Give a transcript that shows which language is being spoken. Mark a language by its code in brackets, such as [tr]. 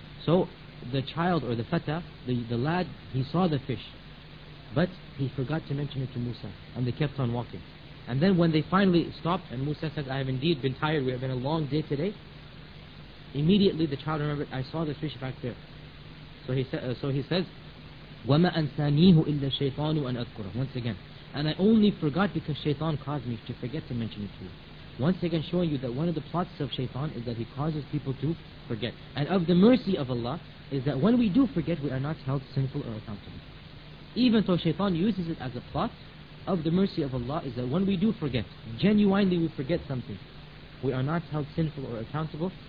[en] So the child or the fata, the lad, he saw the fish, but he forgot to mention it to Musa, and they kept on walking. And then when they finally stopped, and Musa says, I have indeed been tired, we have been a long day today, immediately the child remembered, I saw the fish back there. So he says, [ar] وَمَا أَنْسَانِيهُ إِلَّا شَيْطَانُ أَنْ أَذْكُرَهُ. [en] Once again, and I only forgot because Shaytan caused me to forget to mention it to you. Once again, showing you that one of the plots of Shaytan is that he causes people to forget. And of the mercy of Allah is that when we do forget, we are not held sinful or accountable. Even though Shaytan uses it as a plot, of the mercy of Allah is that when we do forget, genuinely we forget something, we are not held sinful or accountable.